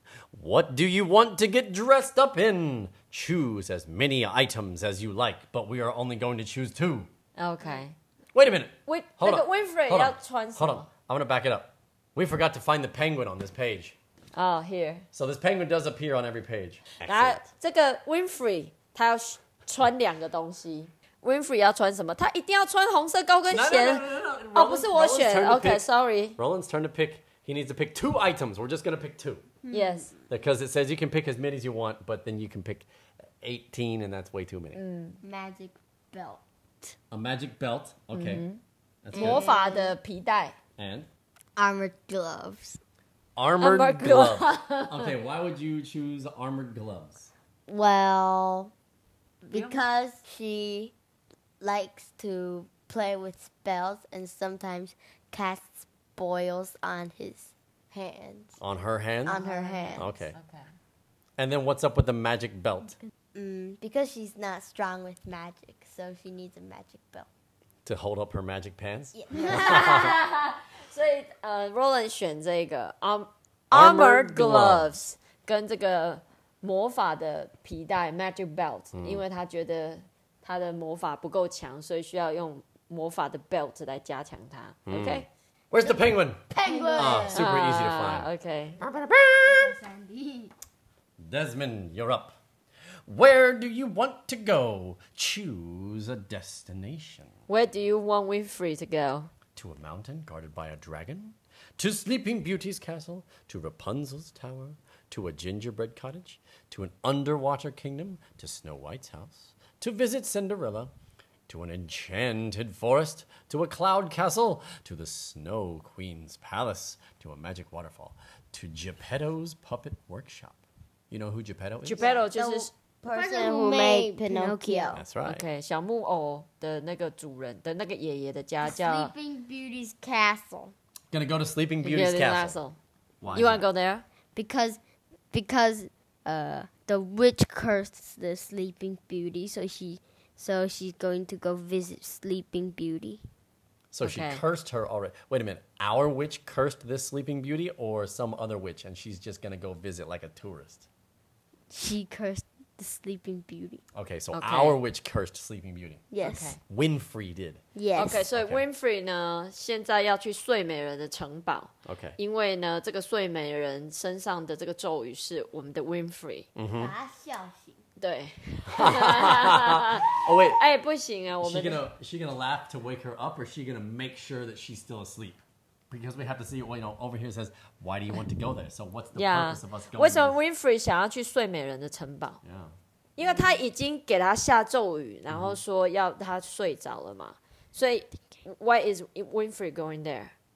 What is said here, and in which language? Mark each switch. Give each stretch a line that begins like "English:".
English: What do you want to get dressed up in? Choose as many items as you like, but we are only going to choose two. Okay. Wait a minute. Wait, hold on. Winfrey, hold on.
Chinese: 要穿什么?
English: Hold on. I'm going to back it up. We forgot to find the penguin on this page. Oh, here. So this penguin does appear on every page. Excellent.
Chinese: 这个 Winfrey, 他要穿两个东西。Winfrey 要穿什么? 他一定要穿红色高跟鞋。
English: No.
Chinese: 哦,不是我选。
English: Okay, sorry. Roland's turn to pick. He needs to pick two items. We're just going to pick two. Yes. Because it says you can pick as many as you want, but then you can pick 18, and that's way too many.、 Mm. Magic belt. A magic belt? Okay.、
Chinese: Mm-hmm. 魔法的皮带
English: And? Armored gloves. Armored gloves. Okay, why would you choose armored gloves? Well, because she likes to play with spells and sometimes casts boils on his... Hands. On her hands? On her hands. Okay. And then what's up with the magic belt? Because she's not strong with magic, so she needs a magic belt. To hold up her magic pants? Yeah.
Chinese: 所以Roland 选这个
English: armored
Chinese: gloves 跟这个魔法的皮带
English: magic belt,、
Chinese: mm. 因为他觉得他的魔法不够强所以需要用魔法的 belt 来加强他、mm.
English: Okay? Where's the penguin? Penguin! Ah, super easy to find. Okay. Desmond, you're up. Where do you want to go? Choose a destination. Where do you want Winfrey to go? To a mountain guarded by a dragon? To Sleeping Beauty's castle? To Rapunzel's tower? To a gingerbread cottage? To an underwater kingdom? To Snow White's house? To visit Cinderella? To an enchanted forest, to a cloud castle, to the Snow Queen's palace, to a magic waterfall, to Geppetto's puppet workshop. You know who Geppetto is?
Chinese: Geppetto 就是
English: person who made Pinocchio. That's right. Okay,
Chinese: 小木偶的那个主人的那个爷爷的家叫
English: Sleeping Beauty's castle. Gonna go to Sleeping Beauty's castle. Why? You wanna go there? Because the witch cursed the Sleeping Beauty, So she's going to go visit Sleeping Beauty. So she cursed her already. Wait a minute. Our witch cursed this Sleeping Beauty or some other witch and she's just going to go visit like a tourist? She cursed the Sleeping Beauty. Okay, so okay. our witch cursed Sleeping Beauty. Yes. Okay. Winfrey did. Yes. Okay, so
Chinese: Winfrey 呢，现在要去睡美人的城堡。
English: Okay.
Chinese: 因为呢，这个睡美人身上的这个咒语是我们的 Winfrey。嗯哼。把他笑醒。对。
English: Oh wait.
Chinese: 哎，不行啊，我们。
English: Is she gonna laugh to wake her up, or is she gonna make sure that she's still asleep? Because we have to see, you know, over here says, why do you want to go there? So what's the purpose of us going there?
Chinese: 为什么 Winfrey 想要去睡美人的城堡？
English: Yeah.
Chinese: 因为他已经给他下咒语，然后说要他睡着了嘛。所以
English: why is Winfrey going there?